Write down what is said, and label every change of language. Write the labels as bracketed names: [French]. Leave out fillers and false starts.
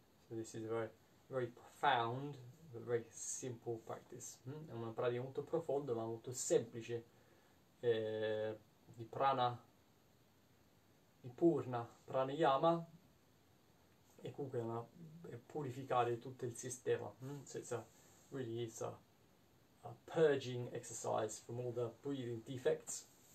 [English] This is a very, very profound, but very simple practice. [Italian] È una pratica molto profonda, ma molto semplice. Di prana, di purna, pranayama, e comunque è purificare tutto il sistema. [English] So it's a really it's a purging exercise from all the breathing defects.